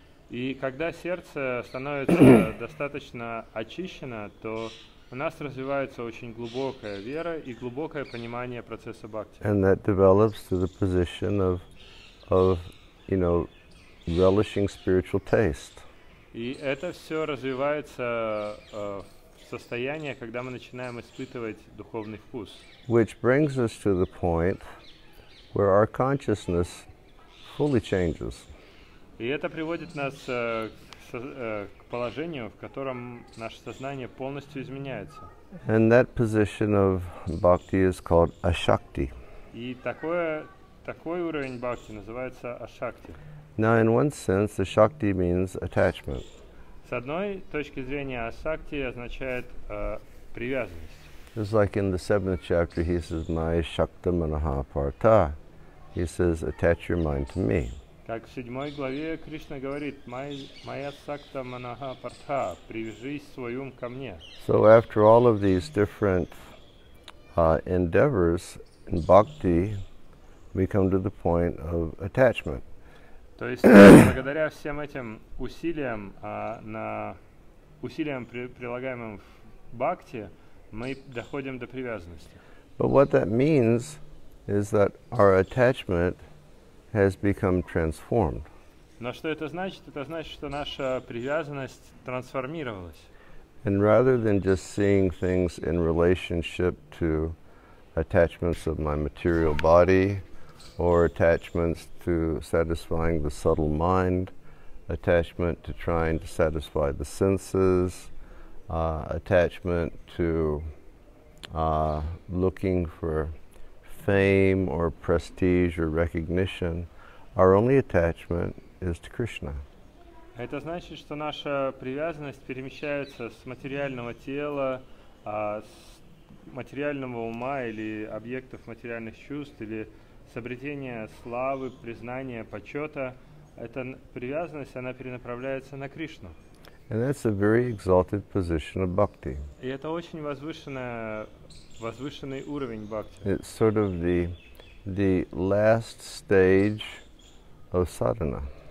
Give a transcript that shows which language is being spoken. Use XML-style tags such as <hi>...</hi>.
<ru>И когда сердце становится достаточно очищено, то у нас развивается очень глубокая вера и глубокое понимание процесса бхакти.</ru> <en>And that develops to the position of you know, relishing spiritual taste.</en> <ru>И это все развивается в состоянии, когда мы начинаем испытывать духовный вкус.</ru> <en>Which brings us to the point where our consciousness fully changes.</en> <ru>И это приводит нас к положению, в котором наше сознание полностью изменяется.</ru> <en>And that position of bhakti is called ashakti.</en> <ru>И такое, такой уровень бхакти называется ашакти.</ru> <en>Now in one sense the shakti means attachment.</en> <ru>С одной точки зрения ашакти означает привязанность.</ru> <en>It's like in the seventh chapter, he says, "My shakta manaha parta." He says, "Attach your mind to me."</en> <ru>Как в седьмой главе Кришна говорит, моя шакта манаха парта, привяжись свой ум ко мне.</ru> <en>So after all of these different endeavors in bhakti, we come to the point of attachment.</en> <ru>То есть благодаря всем этим усилиям на усилиям прилагаемым в бхакти. Мы доходим до привязанности.</ru> <en>But what that means is that our attachment has become transformed.</en> <ru>Но что это значит? Это значит, что наша привязанность трансформировалась.</ru> <en>And rather than just seeing things in relationship to attachments of my material body or attachments to satisfying the subtle mind, attachment to trying to satisfy the senses, attachment to looking for fame or prestige or recognition, our only attachment is to Krishna.</en> <ru>Это значит, что наша привязанность перемещается с материального тела, с материального ума или объектов материальных чувств или с обретения славы, признания, почета. Эта привязанность, она перенаправляется на Кришну.</ru> <en>And that's a very exalted position of bhakti.</en> <ru>И это очень возвышенный уровень бхакти.</ru> <en>It's sort of the last stage of sadhana.</en>